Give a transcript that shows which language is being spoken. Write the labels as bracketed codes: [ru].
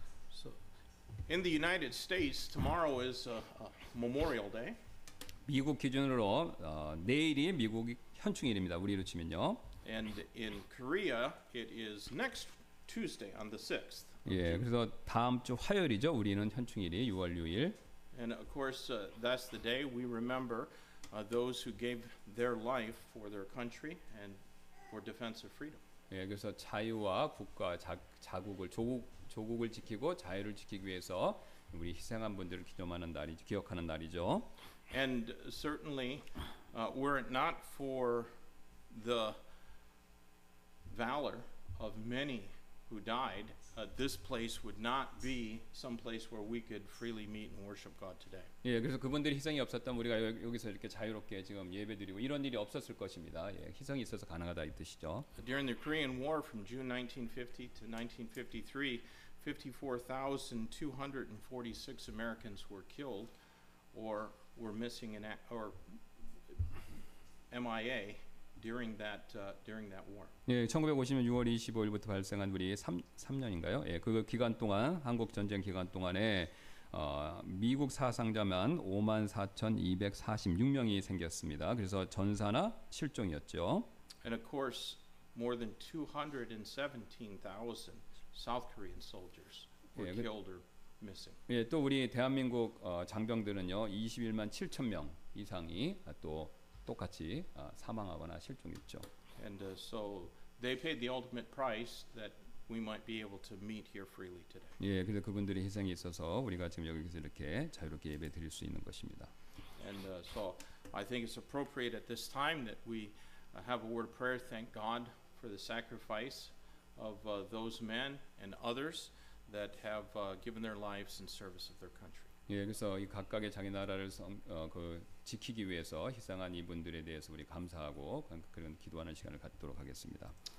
[en] So, in the United States, tomorrow is a Memorial Day. [ko] 미국 기준으로 내일이 미국 현충일입니다. 우리로 치면요. [en] And in Korea, it is next Tuesday on the 6th. [ko] 예, 그래서 다음 주 화요일이죠. 우리는 현충일이 6월 6일. [en] And of course, that's the day we remember those who gave their life for their country and for defense of freedom. [ko] 예, 그래서 자유와 국가 자국을 조국을 지키고 자유를 지키기 위해서 우리 희생한 분들을 기념하는 날이 기억하는 날이죠. [en] And certainly, were it not for the valor of many who died, this place would not be some place where we could freely meet and worship God today. [ko] 예, 그래서 그분들이 희생이 없었다면 우리가 여기서 이렇게 자유롭게 지금 예배드리고 이런 일이 없었을 것입니다. 예, 희생이 있어서 가능하다 이 뜻이죠. [en] During the Korean War from June 1950 to 1953, 54,246 Americans were killed or were missing in or MIA. During that war. [ko] 예, 1950년 6월 25일부터 발생한 우리 3년인가요? 예, 그 기간 동안 한국 전쟁 기간 동안에 미국 사상자만 54,246명이 생겼습니다. 그래서 전사나 실종이었죠. [en] And of course, more than 217,000 South Korean soldiers were killed or missing. [ko] 예, 또 우리 대한민국 장병들은요, 21만 7천 명 이상이 또 똑같이 사망하거나 실종했죠. [en] And so they paid the ultimate price that we might be able to meet here freely today. [ko] 예, 그래서 그분들의 희생이 있어서 우리가 지금 여기서 이렇게 자유롭게 예배 드릴 수 있는 것입니다. [en] And so I think it's appropriate at this time that we have a word of prayer. Thank God for the sacrifice of those men and others that have given their lives in service of their country. [ko] 예, 그래서 이 각각의 자기 나라를 그 지키기 위해서 희생한 이분들에 대해서 우리 감사하고 그런 기도하는 시간을 갖도록 하겠습니다.